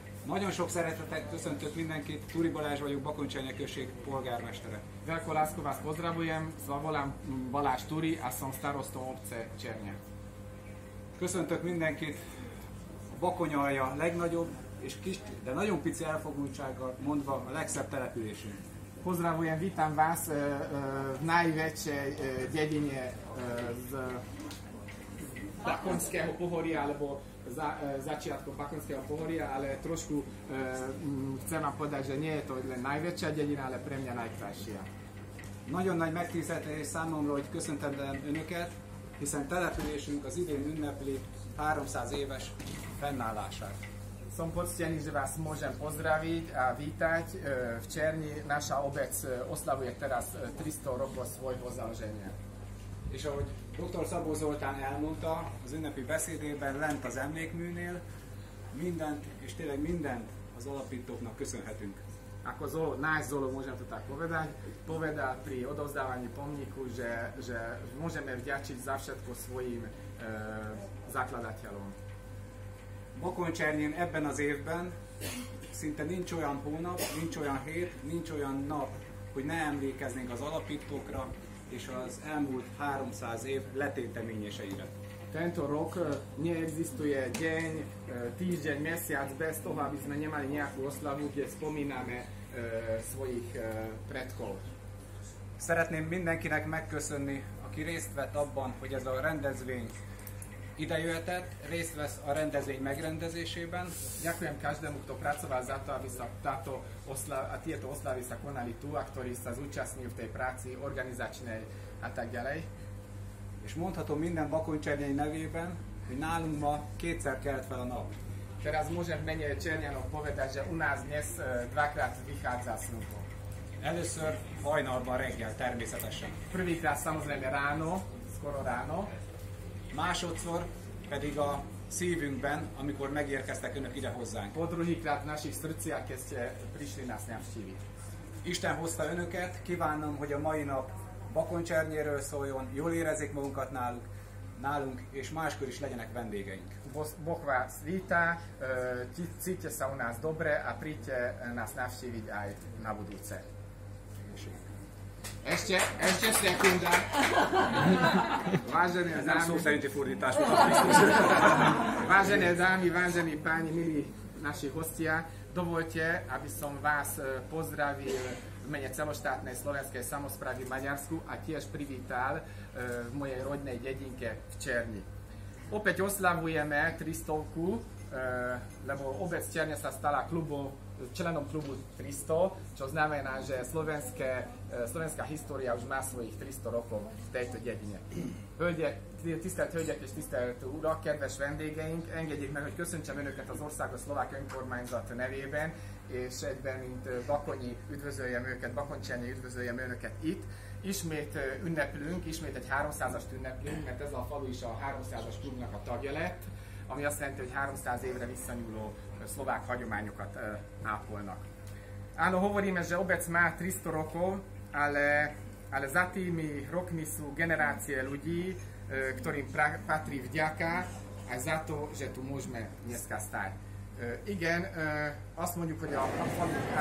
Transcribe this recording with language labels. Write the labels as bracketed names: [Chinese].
[Hungarian] Nagyon sok szeretetet köszöntök mindenkit, Turi Balázs vagyok, Bakonycsernye község polgármestere. [Slovak] Veľkou láskou vás pozdravujem, volám Balázs Turi, a som starosta obce Csernye. [Hungarian] Köszöntök mindenkit, Bakonyalja legnagyobb és kis, de nagyon pici elfogultsággal mondva a legszebb településünk. [Slovak] Pozdravujem, vítam vás v najväčšej dedine z Bakonského pohoria, alebo začiatkom Bakonského pohoria, ale trošku chcem vám povedať, že nie je to len najväčšia dedina, ale pre mňa najkrajšia. [Hungarian] Nagyon nagy megtiszteltetés számomra, hogy köszöntem önöket, hiszen településünk az idén ünnepli 300 éves fennállását. [Slovak] Som poctený, že vás môžem pozdraviť a vítať v Černi. Naša obec oslavuje teraz 300 rokov svojho založenia. [Hungarian] És ahogy dr. Szabó Zoltán elmondta az ünnepi beszédében, lent az emlékműnél, mindent, és tényleg mindent az alapítóknak köszönhetünk. [Slovak] Ako nájsť Zolo, môžem to tak povedať pri odovzdávaní pomníku, že môžeme vďačiť za všetko svojim zakladateľom. [Hungarian] Bakonycsernyén ebben az évben szinte nincs olyan hónap, nincs olyan hét, nincs olyan nap, hogy ne emlékeznénk az alapítókra és az elmúlt 300 év letéteményeseire. [Slovak] Tento rok nie existuje deň, týždeň, mesiac bez toho, aby sme nemali nejakú oslavu, kde spomíname svojich predkov. [Hungarian] Szeretném mindenkinek megköszönni, aki részt vett abban, hogy ez a rendezvény idejöhetett, részt vesz a rendezvény megrendezésében. [Slovak] Ďakujem každému, kto pracoval za to, aby sa táto oslava, a tieto oslavy sa konali tu, a ktorý sa zúčastnil v tej práci organizačnej a tak ďalej. [Hungarian] És mondhatom minden Bakonycsernyei nevében, hogy nálunk ma kétszer kelt fel a nap. [Slovak] Teraz môžem menje Csernyának povedať, že u nás dnes dvakrát vychádza slunko. [Hungarian] Először hajnalban reggel természetesen. [Slovak] Prvýkrát samozrejme ráno, skoro ráno. [Hungarian] Másodszor pedig a szívünkben, amikor megérkeztek önök ide hozzánk. [Slovak] Po druhýkrát našich srdciach, keď ste prišli nás navštíviť. [Hungarian] Isten hozta önöket, kívánom, hogy a mai nap Bakonycsernyéről szóljon, jól érezzék magunkat nálunk, és máskor is legyenek vendégeink. [Slovak] Boh vás vítá, cítite sa u nás dobre a príďte nás navštíviť aj na budúce. Ešte sekunda. Vážené dámy, sú sa fordítáš. Vážené dámy, vážení páni, milí naši hostia, dovolte, aby som vás pozdravil v mene celoštátnej slovenskej samosprávy v Maďarsku a tiež privítal v mojej rodnej dedinke v Černi. Opäť oslavujeme 300, lebo obec Černia sa stala klubom, členom klubu 300, čo znamená, že slovenská história už má svojich 300 rokov v tejto dedine. [Hungarian] Tisztelt hölgyek és tisztelt urak, kedves vendégeink, engedjék meg, hogy köszöntsem önöket az Országos Szlovák Önkormányzat nevében, és egyben, mint Bakonyi, üdvözöljem őket, Bakonycsernye, üdvözöljem önöket itt. Ismét ünneplünk, ismét egy 300-as ünneplünk, mert ez a falu is a 300-as klubnak a tagja lett. ami azt jelenti, hogy 300 évre visszanyúló szlovák hagyományokat ápolnak. [Slovak] Áno hovoríme, že obec má 300 rokov, ale za tými rokmi sú generácie ľudí, ktorým patrí vďaka aj za to, že tu môžeme dneska stáť. [Hungarian] Igen, azt mondjuk, hogy a falu